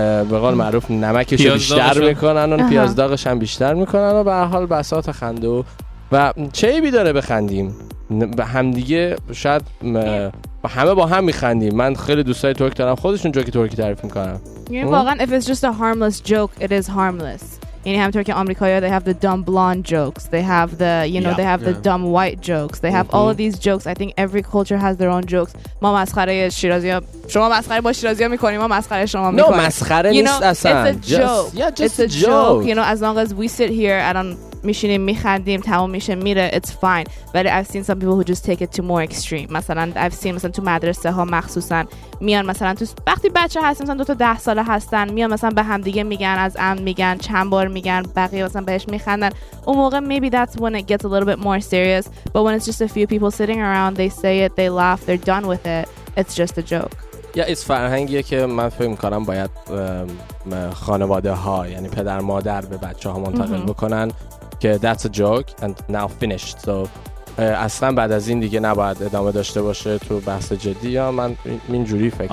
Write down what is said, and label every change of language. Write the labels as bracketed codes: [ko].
[fa] به قول معروف نمکش رو بیشتر میکنن و پیازداغش هم بیشتر میکنن و به هر حال بساط خنده و چه عیبی داره بخندیم به همدیگه؟ شاید همه با هم میخندیم. من خیلی دوستای ترک دارم، خودشون جوکی ترکی تعریف میکنم. یعنی واقعا [en] if it's just a harmless joke it is harmless. [fa] یعنی همطور که امریکایی ها [en] they have the dumb blonde jokes, they have the you know they have the dumb white jokes, they have all of these jokes. I think every culture has their own jokes. [fa] ما مسخره شیرازی ها، شما مسخره با شیرازی ها میکنیم، ما مسخره شما میکنیم. نه مسخره نیست اصلا، [en] it's a joke. You know, as long as we sit here and [fa] میشینیم میخندیم تمام میشه میره، [en] it's fine. But I've seen some people who just take it to more extreme. [fa] مثلا [en] I've seen [fa] مثلا تو مدرسه ها مخصوصا میان مثلا تو وقتی بچه هستن مثلا 2 تا 10 ساله هستن، میان مثلا به هم دیگه میگن، از عمد میگن، چند بار میگن، بقیه مثلا بهش میخندن. اون موقع [en] maybe that's when it gets a little bit more serious. But when it's just a few people sitting around, they say it, they laugh, they're done with it. It's just a joke. [fa] یا این فرهنگیه که من فکر میکنم باید خانواده ها، یعنی پدر مادر به بچه ها منتقل بکنن که [en] that's a joke and now finished. [fa] So اصلا بعد از این دیگه نباید ادامه داشته باشه تو بحث جدی، یا من اینجوری فکر